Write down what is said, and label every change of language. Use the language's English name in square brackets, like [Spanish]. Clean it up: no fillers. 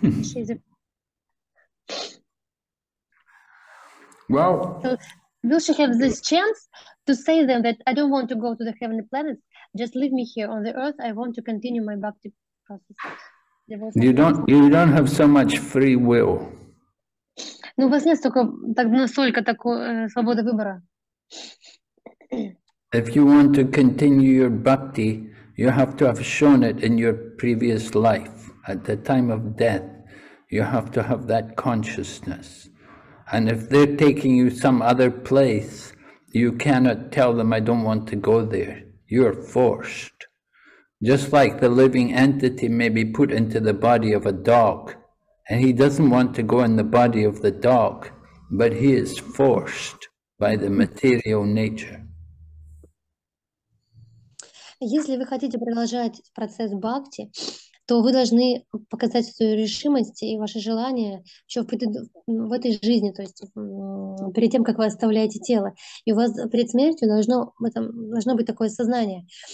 [English] She's a... Well, so will she have this chance to say them that I don't want to go to the heavenly planets, just leave me here on the earth, I want to continue my bhakti process. You don't have so much free will. [Russian] Ну, у вас нет столько, так, настолько такой свободы выбора. [English] If you want to continue your bhakti, you have to have shown it in your previous life. At the time of death, you have to have that consciousness. And if they're taking you some other place, you cannot tell them, I don't want to go there. You're forced. Just like the living entity may be put into the body of a dog, and he doesn't want to go in the body of the dog, but he is forced by the material nature. [Russian] Если вы хотите продолжать процесс бхакти, то вы должны показать свою решимость и ваше желание еще в этой жизни, то есть перед тем, как вы оставляете тело. И у вас перед смертью должно быть такое сознание.